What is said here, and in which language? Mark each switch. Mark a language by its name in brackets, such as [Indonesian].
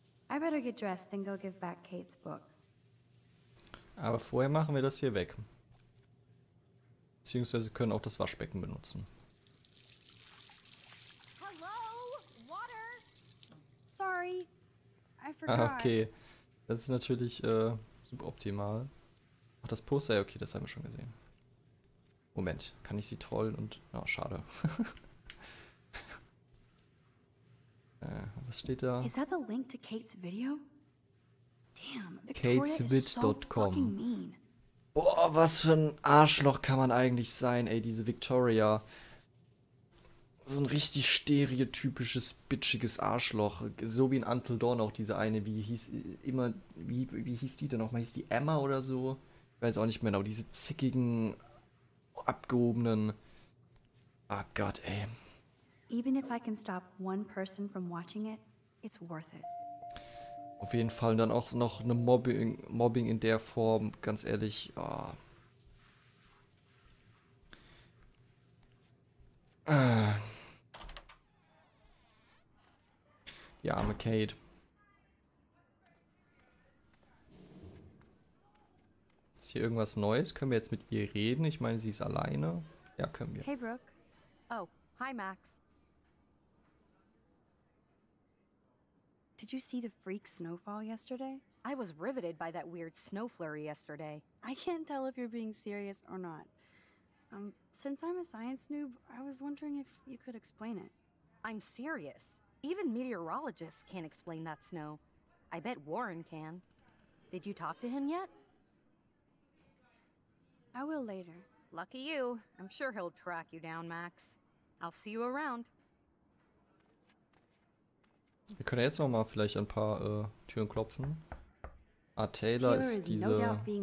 [English] I better get dressed and go give back Kate's book. [German] Aber vorher machen wir das hier weg. Beziehungsweise können auch das Waschbecken benutzen. [English] Hello? Water? Sorry. I forgot. Ah, okay. [German] Das ist natürlich suboptimal. Ach, das Poster, okay, das haben wir schon gesehen. Moment, kann ich sie trollen und. Oh, schade. Was steht da? [English] Is that the link to Kate's video? Damn, Kateswit.com. [German] Boah, was für ein Arschloch kann man eigentlich sein, ey, diese Victoria. So ein richtig stereotypisches, bitchiges Arschloch. So wie in Until Dawn auch diese eine, wie hieß immer, wie hieß die denn nochmal? Hieß die Emma oder so? Ich weiß auch nicht mehr genau, diese zickigen, abgehobenen. Ah, oh Gott, ey. [English] Even if I can stop one person from watching it, it's worth it. [German] Auf jeden Fall dann auch noch eine Mobbing in der Form, ganz ehrlich. Oh. Die arme Kate. Ist hier irgendwas Neues? Können wir jetzt mit ihr reden? Ich meine, sie ist alleine. Ja, können wir. [English] Hey, Brooke. Oh, hi, Max. Did you see the freak snowfall yesterday? I was riveted by that weird snow flurry yesterday. I can't tell if you're being serious or not. Since I'm a science noob, I was wondering if you could explain it. I'm serious. Even meteorologists can't explain that snow. I bet Warren can. Did you talk to him yet? I will later. Lucky you. I'm sure he'll track you down, Max. I'll see you around. [German] Wir können jetzt noch mal vielleicht ein paar Türen klopfen. Ah, Taylor ist diese... Ja.